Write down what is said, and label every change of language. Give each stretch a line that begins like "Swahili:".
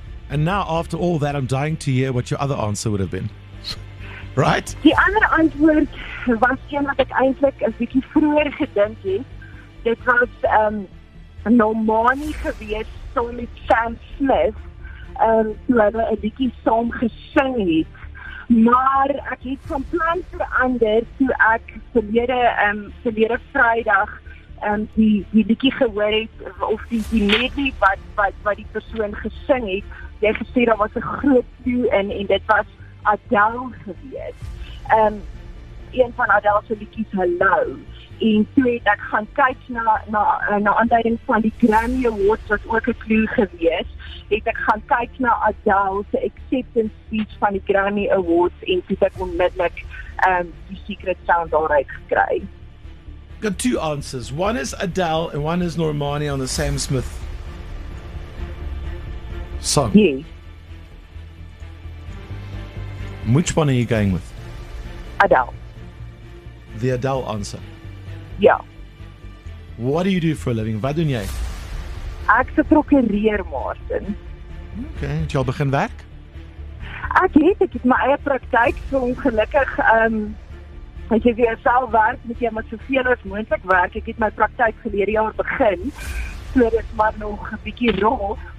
English: And now, after all that, I'm dying to hear what your other answer would have been. Right?
Afrikaans: Die ander antwoord was een wat ek eintlik 'n bietjie vroeër gedink het. Dit was Normani gewees, saam met Sam Smith, wat hy 'n bietjie saam gesing het. Maar ek het van plan verander toe ek verlede Vrydag die bietjie gehoor het, of die medley wat die persoon gesing het. Jy gesê daar was 'n groot toe in en dit was Adele gewees. Een van Adele se liedjies Hello. En toe het ek gaan kyk na aanduiding van die Grammy Awards wat ook 'n clue gewees, het ek gaan kyk na Adele se acceptance speech van die Grammy Awards en toe ek onmiddellik die secret sound daaruit gekry.
English: Got two answers. One is Adele and one is Normani on the Sam Smith song. Yes. Which one are you going with? Adele. The Adele answer. Yeah. What do you do for a living?
Afrikaans: Wat doen jy? Ek se prokureur, Martin. Okay, het jy al begin werk? Ek het my eie praktyk, so ongelukkig ek het weer self werk, moet jy maar soveel as moontlik werk. Ek het my praktyk verlede jaar begin, so dit is maar nog 'n bietjie rof.